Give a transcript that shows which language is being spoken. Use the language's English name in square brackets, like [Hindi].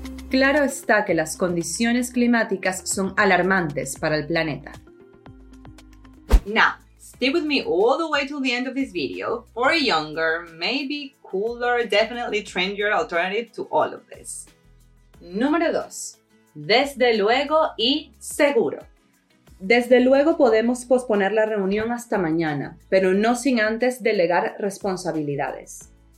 [Spanish] claro está que las condiciones climáticas son alarmantes para el planeta. [English] Now, stay with me all the way till the end of this video for a younger, maybe cooler, definitely trendier alternative to all of this. [Spanish] Número dos. Desde luego y seguro. Desde luego podemos posponer la reunión hasta mañana, pero no sin antes delegar responsabilidades.